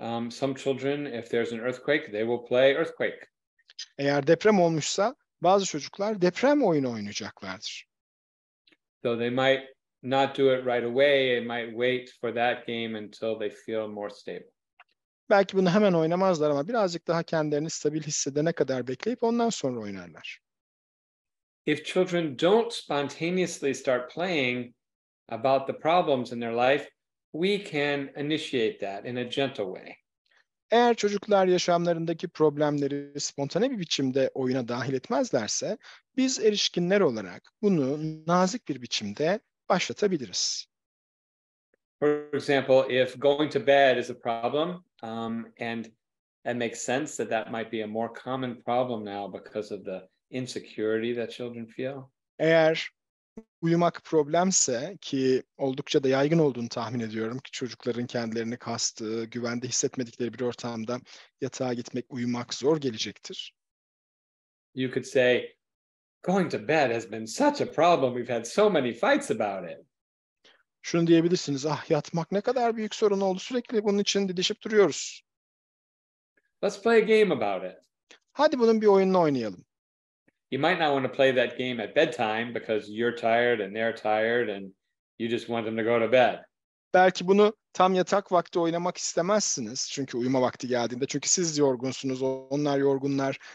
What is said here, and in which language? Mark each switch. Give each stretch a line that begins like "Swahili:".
English: Some children, if there's an earthquake, they will play earthquake.
Turkish: Eğer deprem olmuşsa, bazı çocuklar deprem oyunu oynayacaklardır.
English: Though they might not do it right away, they might wait for that game until they feel more stable.
Turkish: Belki bunu hemen oynamazlar ama birazcık daha kendilerini stabil hissedene kadar bekleyip ondan sonra oynarlar.
English: If children don't spontaneously start playing about the problems in their life, we can initiate that in a gentle way.
Turkish: Eğer çocuklar yaşamlarındaki problemleri spontane bir biçimde oyuna dahil etmezlerse, biz erişkinler olarak bunu nazik bir biçimde başlatabiliriz.
English: For example, if going to bed is a problem, and it makes sense that that might be a more common problem now because of the insecurity that children feel.
Turkish: Eğer uyumak problemse ki oldukça da yaygın olduğunu tahmin ediyorum ki çocukların kendilerini kastığı, güvende hissetmedikleri bir ortamda yatağa gitmek, uyumak zor gelecektir.
English: You could say, going to bed has been such a problem, we've had so many fights about it.
Turkish: Şunu diyebilirsiniz, ah yatmak ne kadar büyük sorun oldu, sürekli bunun için didişip duruyoruz.
English: Let's play a game about it.
Turkish: Hadi bunun bir oyununu oynayalım.
English: You might not want to play that game at bedtime because you're tired and they're tired and you just want them to go to bed.
Turkish: Belki bunu tam yatak vakti oynamak istemezsiniz çünkü uyuma vakti geldiğinde çünkü siz yorgunsunuz, onlar yorgunlar.